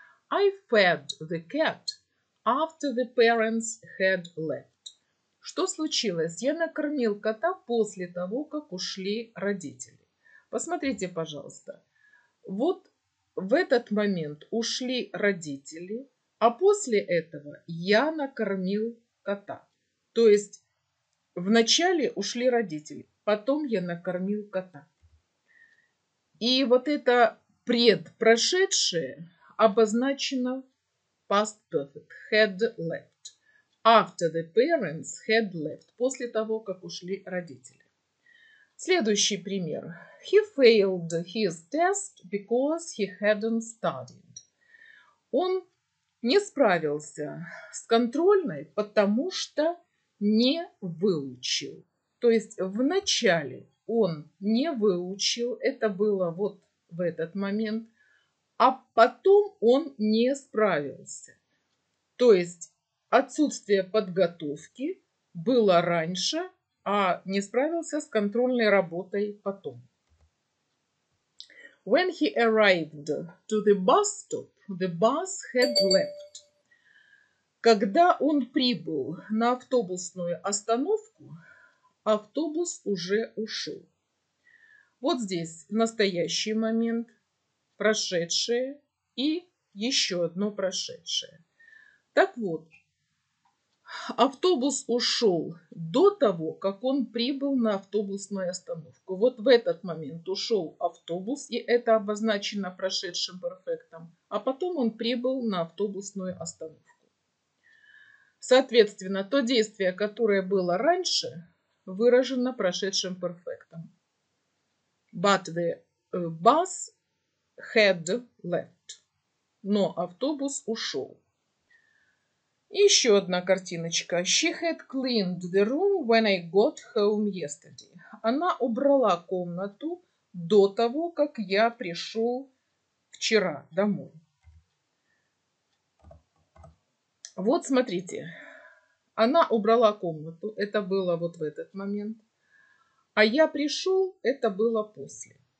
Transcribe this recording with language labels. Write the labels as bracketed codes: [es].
[en] I fed the cat after the parents had left. [ru] Что случилось? Я накормил кота после того, как ушли родители. Посмотрите, пожалуйста. Вот в этот момент ушли родители, а после этого я накормил кота. То есть вначале ушли родители, потом я накормил кота. И вот это предпрошедшее обозначено past perfect, [en] had left, after the parents had left, [ru] после того, как ушли родители. Следующий пример. [en] He failed his test because he hadn't studied. [ru] Он не справился с контрольной, потому что не выучил. То есть вначале он не выучил, это было вот в этот момент, а потом он не справился. То есть отсутствие подготовки было раньше, а не справился с контрольной работой потом. [en] When he arrived to the bus stop, the bus had left. [ru] Когда он прибыл на автобусную остановку, автобус уже ушел. Вот здесь настоящий момент. Прошедшее и еще одно прошедшее. Так вот, автобус ушел до того, как он прибыл на автобусную остановку. Вот в этот момент ушел автобус, и это обозначено прошедшим перфектом, а потом он прибыл на автобусную остановку. Соответственно, то действие, которое было раньше, выражено прошедшим перфектом. [en] But the bus had left. [ru] Но автобус ушел. Еще одна картиночка. [en] She had cleaned the room when I got home yesterday. [ru] Она убрала комнату до того, как я пришел вчера домой. Вот смотрите. Она убрала комнату. Это было вот в этот момент. А я пришел, это было после.